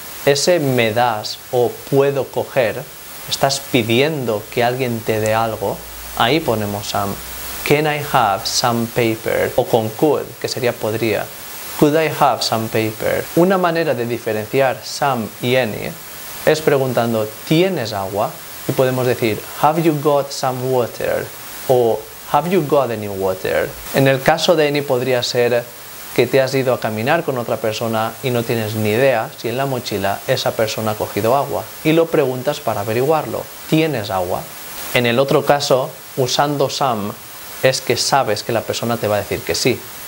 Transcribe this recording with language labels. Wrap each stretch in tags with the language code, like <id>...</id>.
<es>Ese me das o puedo coger, estás pidiendo que alguien te dé algo, ahí ponemos some.</es> <en>Can I have some paper?</en> <es>O con could, que sería podría.</es> <en>Could I have some paper?</en> <es>Una manera de diferenciar some y any es preguntando, ¿tienes agua? Y podemos decir,</es> <en>have you got some water? O, have you got any water?</en> <es>En el caso de any podría ser que te has ido a caminar con otra persona y no tienes ni idea si en la mochila esa persona ha cogido agua. Y lo preguntas para averiguarlo. ¿Tienes agua? En el otro caso, usando some, es que sabes que la persona te va a decir que sí.</es>